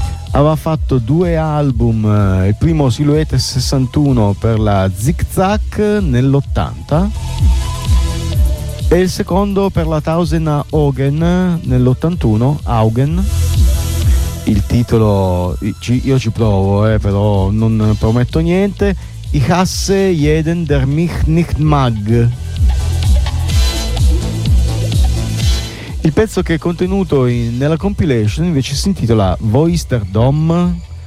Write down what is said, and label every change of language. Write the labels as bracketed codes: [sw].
[it] Aveva fatto due album, il primo Siluetes 61 per la Zig Zag nell'80 e il secondo per la Tausend Augen nell'81, Augen. Il titolo, io ci provo, però non prometto niente. [de] Ich hasse jeden, der mich nicht mag. [it] Il pezzo che è contenuto nella compilation invece si intitola Voisterdom.